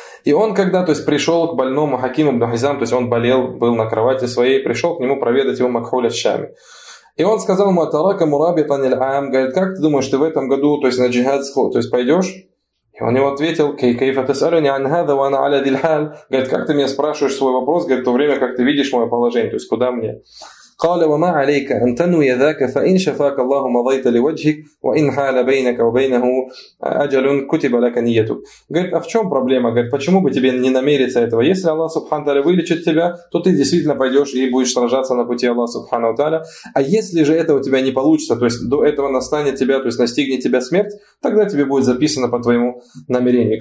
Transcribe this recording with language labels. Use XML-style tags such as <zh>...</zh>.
<ru>И он когда, то есть, пришел к больному Хакиму ибн Хизам, то есть, он болел, был на кровати своей, пришел к нему проведать его Макхуля Шами. И он сказал ему,</ru> <ar>«Атарака мураби паниль аам»,</ar> <ru>говорит, «Как ты думаешь, ты в этом году, то есть на джихад сход, то есть пойдешь?» И он ему ответил,</ru> <ar>«Кайфа тасалюни ан хаза ва ана аля дильхаль»,</ar> <ru>говорит, «Как ты меня спрашиваешь свой вопрос, говорит, в то время, как ты видишь мое положение, то есть куда мне?»</ru> <ar>قال وما عليك أن تنوي ذاك فإن شفاك الله مضيت لوجهك وإن حال بينك وبينه أجل كتب لك نيتك.</ar> <ru>Говорит, а в чем проблема? Говорит, почему бы тебе не намериться этого? Если Аллах Субхану Тааля вылечит тебя, то ты действительно пойдешь и будешь сражаться на пути Аллаха Субхану Тааля. А если же это у тебя не получится, то есть до этого настанет тебя, то есть настигнет тебя смерть, тогда тебе будет записано по твоему намерению.</ru>